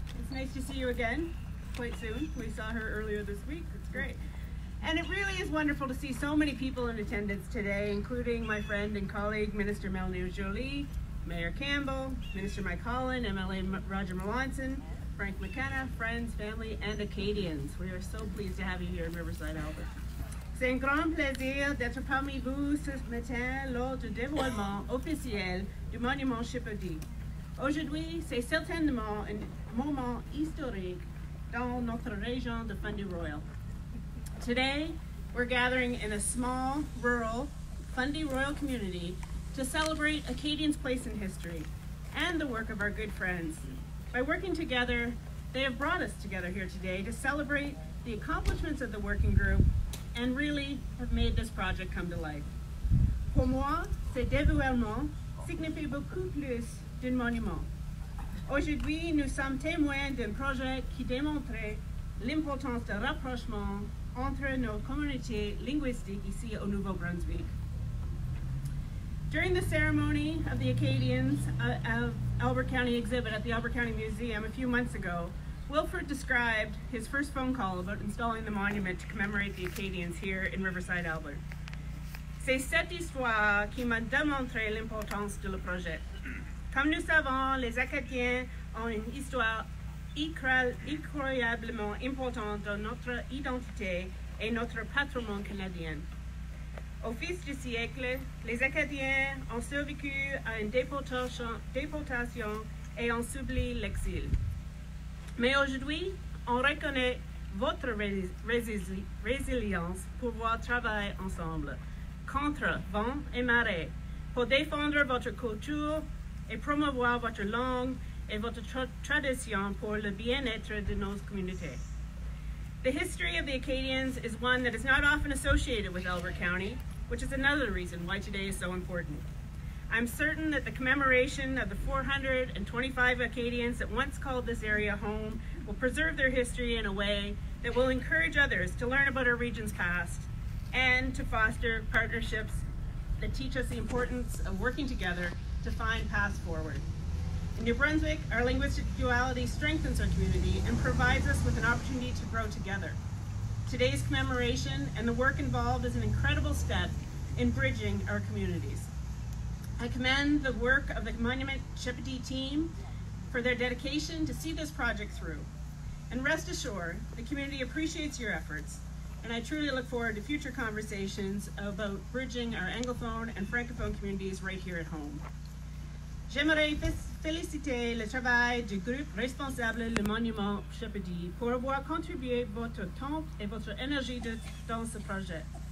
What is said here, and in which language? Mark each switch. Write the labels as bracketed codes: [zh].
[en] It's nice to see you again, quite soon. We saw her earlier this week. It's great. And it really is wonderful to see so many people in attendance today, including my friend and colleague, Minister Melanie Jolie, Mayor Campbell, Minister Mike Holland, MLA Roger Melanson, Frank McKenna, friends, family, and Acadians. We are so pleased to have you here in Riverside, Alberta. [fr] C'est un grand plaisir d'être parmi vous ce matin lors du dévoilement officiel du Monument Chipoudie. Aujourd'hui, c'est certainement un moment historique dans notre région de Fundy Royal. [en] Today, we're gathering in a small, rural, Fundy Royal community to celebrate Acadian's place in history and the work of our good friends. By working together, they have brought us together here today to celebrate the accomplishments of the working group and really have made this project come to life. [fr] Pour moi, ce dévoilement signifie beaucoup plus d'un monument. Aujourd'hui, nous sommes témoins d'un projet qui démontre l'importance de rapprochement entre nos communautés linguistiques ici au Nouveau-Brunswick. [en] During the ceremony of the Acadians of Albert County exhibit at the Albert County Museum a few months ago, Wilfred described his first phone call about installing the monument to commemorate the Acadians here in Riverside, Albert. [fr] C'est cette histoire qui m'a démontré l'importance du projet. Comme nous savons, les Acadiens ont une histoire incroyablement important dans notre identité et notre patrimoine canadien. Au fil du siècle, les Acadiens ont survécu à une déportation et ont subi l'exil. Mais aujourd'hui, on reconnaît votre résilience pour pouvoir travailler ensemble, contre vent et marée, pour défendre votre culture et promouvoir votre langue et votre tradition pour le bien-être de nos communautés. [en] The history of the Acadians is one that is not often associated with Albert County, which is another reason why today is so important. I'm certain that the commemoration of the 425 Acadians that once called this area home will preserve their history in a way that will encourage others to learn about our region's past and to foster partnerships that teach us the importance of working together to find paths forward. In New Brunswick, our linguistic duality strengthens our community and provides us with an opportunity to grow together. Today's commemoration and the work involved is an incredible step in bridging our communities. I commend the work of the Monument Chipoudie team for their dedication to see this project through. And rest assured, the community appreciates your efforts, and I truly look forward to future conversations about bridging our Anglophone and Francophone communities right here at home. [fr] J'aimerais féliciter le travail du groupe responsable du Monument de Chipoudie pour avoir contribué votre temps et votre énergie dans ce projet.